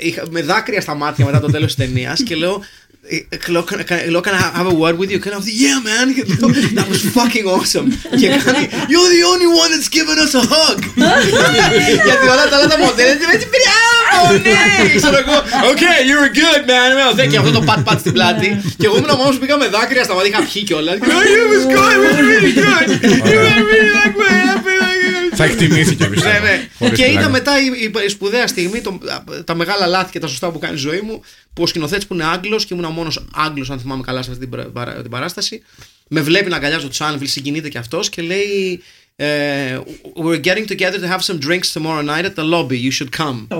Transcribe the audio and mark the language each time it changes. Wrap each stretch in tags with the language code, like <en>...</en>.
<el>Με δάκρυα στα μάτια μετά το τέλος της ταινίας και λέω.</el> <en>Can I have a word with you? Can I have the, yeah, man. That was fucking awesome.</en> <el>Και κάνει,</el> <en>you're the only one that's given us a hug.</en> <el>Γιατί όλα τα άλλα μοντέλα δεν είναι πριν. Μπράβο, ναι. Ξέρω εγώ,</el> <en>okay, you're a good man.</en> <el>Και αυτό το πατ στην πλάτη. Και εγώ ήμουν μόνος που πήγα με δάκρυα στα μάτια. Είχα πιει κιόλα.</el> <en>It was good, it was really good. You made me like my happy.</en> <el>Θα εκτιμήθηκε, πιστεύω. Και ήταν μετά η σπουδαία στιγμή, τα μεγάλα λάθη και τα σωστά που κάνει η ζωή μου, που ο σκηνοθέτης που είναι Άγγλος και ήμουν ο μόνος Άγγλος, αν θυμάμαι καλά, σε αυτή την παράσταση, με βλέπει να αγκαλιάζω τους Anvil, συγκινείται και αυτός και λέει,</el> <en>we're getting together to have some drinks tomorrow night at the lobby, you should come.</en>